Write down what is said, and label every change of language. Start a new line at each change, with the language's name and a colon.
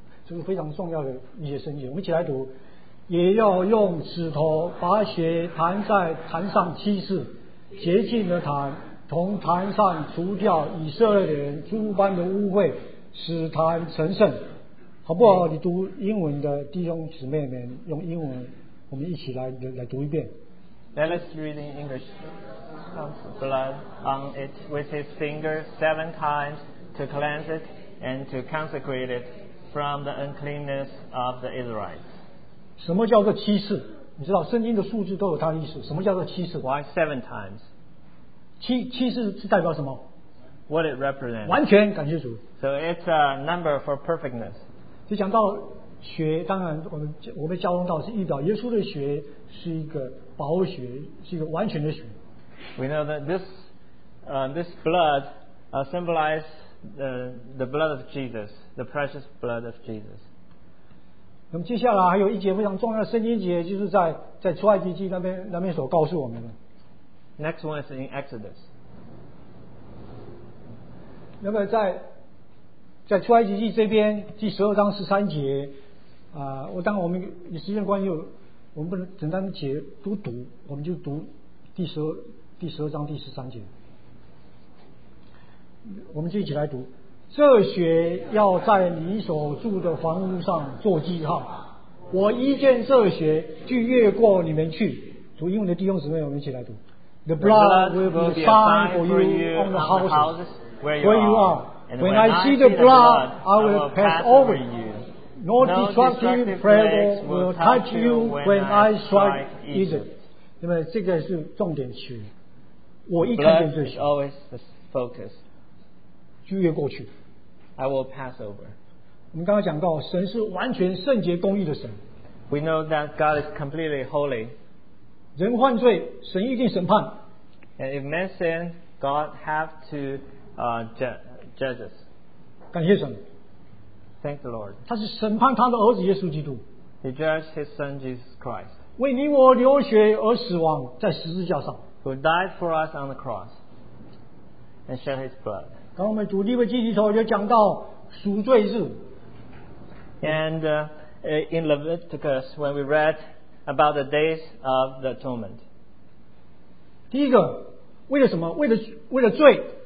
Chinese: 这是非常重要的一些圣经，我们一起来读。也要用指头把血弹在坛上七次，洁净了坛，从坛上除掉以色列人诸般的污秽，使坛神圣。好不好？你读英文的弟兄姊妹们用英文，我们一起来读一遍。
English: Let us read in English. Comes blood on it with his finger seven times to cleanse it and to consecrate it. From the uncleanness of the Israelites.
Chinese: 什么叫做七次？你知道圣经的数字都有它的意思。什么叫做七次
English: ？Why seven times?
Chinese: 七次是代表什么
English: ？What it represents?
Chinese: 完全感谢主。
English: So it's a number for perfectness.
Chinese: 就讲到血，当然我们交通道是预表耶稣的血是一个宝血，是一个完全的血。
English: We know that this blood symbolizes the blood of Jesus. The precious blood of Jesus.
Chinese: 那么接下来还有一节非常重要的圣经节，就是在出埃及记那边所告诉我们的。
English: Next one is in Exodus.
Chinese: 那么在出埃及记这边第十二章十三节，当我们以时间关系，我们不能整段节都读，我们就读第十二章第十三节，我们就一起来读。这血要在你所住的房屋上做记号，我一见这血就越过你们去。主英文的弟兄姊妹，我们一起来读。
English: The blood will be a sign for you on the houses where you are. When I see the blood, I will pass over you. No destructive plague will touch you when I strike Egypt.
Chinese: 那么这个是重点区，我一看见这血
English: always the focus.
Chinese: 就越过去。
English: I will pass over.
Chinese: 我们刚刚讲到，神是完全圣洁公义的神。
English: We know that God is completely holy.
Chinese: 人犯罪，神一定审判。
English: And if men sin, God have to judge us.
Chinese: 感谢神。
English: Thank the Lord.
Chinese: 他是审判他的儿子耶稣基督。
English: He judged his son Jesus Christ.
Chinese: 为你我流血而死亡在十字架上。
English: Who died for us on the cross and shed his blood.
Chinese: 刚我们读利未记里头就讲到赎罪日
English: ，and in Leviticus when we read about the days of the atonement，
Chinese: 第一个为了什么？为了罪。